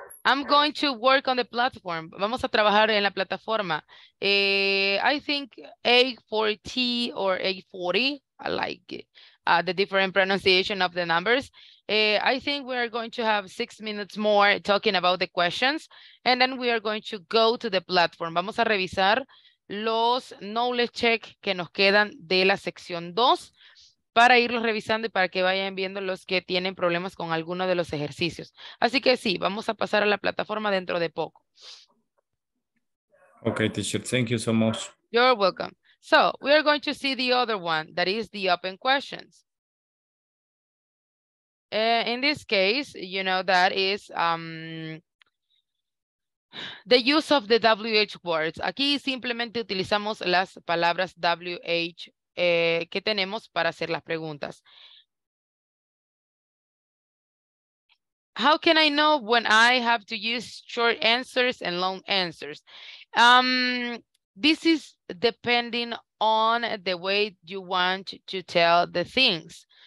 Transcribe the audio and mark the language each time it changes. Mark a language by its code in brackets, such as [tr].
[en] I'm going to work on the platform. [es] Vamos a trabajar en la plataforma. [en] I think 840 or 840, I like it. The different pronunciation of the numbers. I think we are going to have 6 minutes more talking about the questions, and then we are going to go to the platform. [es] Vamos a revisar los knowledge check que nos quedan de la sección 2 para irlos revisando y para que vayan viendo los que tienen problemas con alguno de los ejercicios. Así que sí, vamos a pasar a la plataforma dentro de poco. [en] Okay, teacher, thank you so much. You're welcome. So, we are going to see the other one, that is the open questions. In this case, you know, that is the use of the WH words. [es] Aquí simplemente utilizamos las palabras WH que tenemos para hacer las preguntas. [en] How can I know when I have to use short answers and long answers? This is depending on the way you want to tell the things.